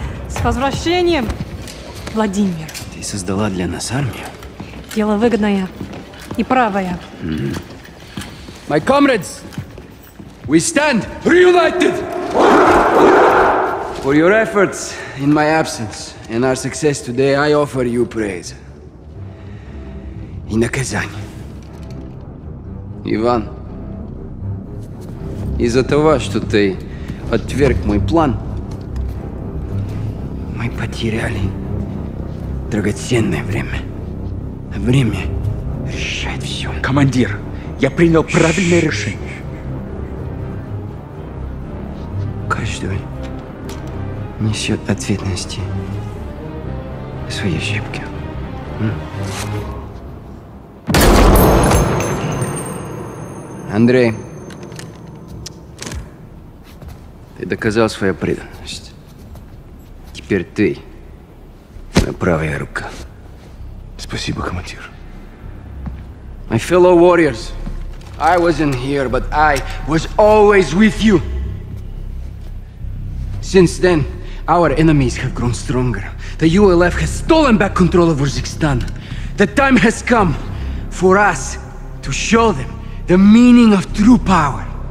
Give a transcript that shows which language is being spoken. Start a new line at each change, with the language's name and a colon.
Russian: С возвращением, Владимир! Ты создала для нас армию? Дело выгодное. И правая.
English: My comrades, we stand reunited for your efforts in my absence and our success today. I offer you praise. In the Kazani,
Russian: Иван, из-за того, что ты отверг мой план, мы потеряли драгоценное время. Время. Решает все. Командир, я принял правильное решение. Каждый несет ответственности в своей щепке. Андрей, ты доказал свою преданность. Теперь ты моя правая рука. Спасибо, командир.
English: My fellow warriors, I wasn't here, but I was always with you. Since then, our enemies have grown stronger. The ULF has stolen back control of Uzbekistan. The time has come for us to show them the meaning of true power.